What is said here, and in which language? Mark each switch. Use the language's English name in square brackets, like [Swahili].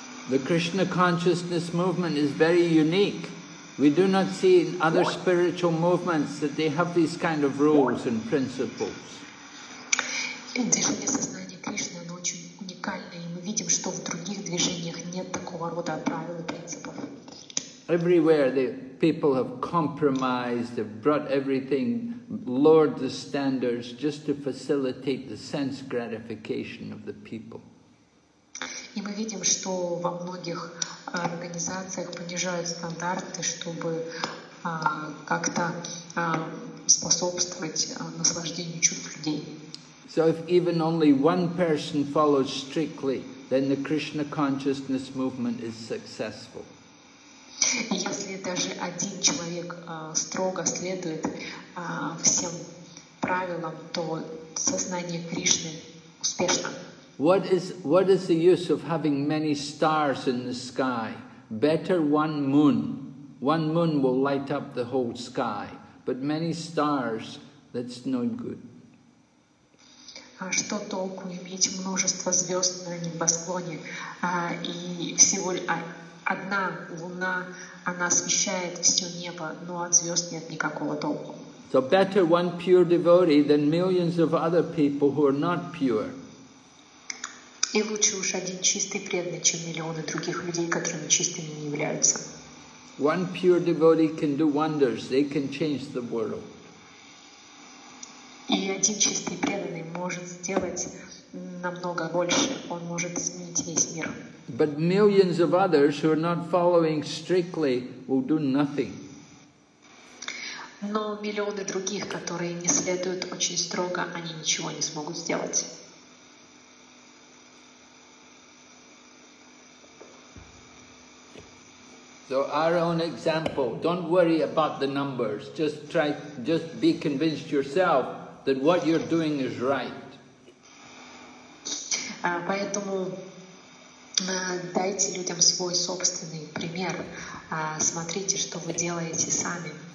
[English] The Krishna consciousness movement is very unique. We do not see in other spiritual movements that they have these kind of rules and principles. [Russian] Движение сознания Кришны, оно очень уникальное, и мы видим, что такого рода правил и принципов. [English] Everywhere the people have compromised, have brought everything, lowered the standards just to facilitate the sense gratification of the people. [Russian] И мы видим, что во многих организациях понижают стандарты, чтобы как-то способствовать наслаждению чувств людей. [English] So if even only one person follows strictly, then the Krishna consciousness movement is successful. [Russian] Если даже один человек строго следует всем правилам, то сознание Кришны успешно. [English] What is the use of having many stars in the sky? Better one moon. One moon will light up the whole sky, but many stars, that's no good. [Russian] Что толку иметь множество звезд на небосклоне, и всего одна луна, она освещает все небо, но от звезд нет никакого толку. [English] So better one pure devotee than millions of other people who are not pure. [Russian] И лучше уж один чистый преданный, чем миллионы других людей, которыми чистыми не являются. [English] One pure devotee can do wonders. They can change the world. [Russian] И один чистый преданный может сделать намного больше. Он может изменить весь мир. [English] But millions of others who are not following strictly will do nothing. [Russian] Но миллионы других, которые не следуют очень строго, они ничего не смогут сделать. [English] So our own example, don't worry about the numbers, just be convinced yourself that what you're doing is right. [Russian] Поэтому дайте людям свой собственный пример, смотрите, что вы делаете сами.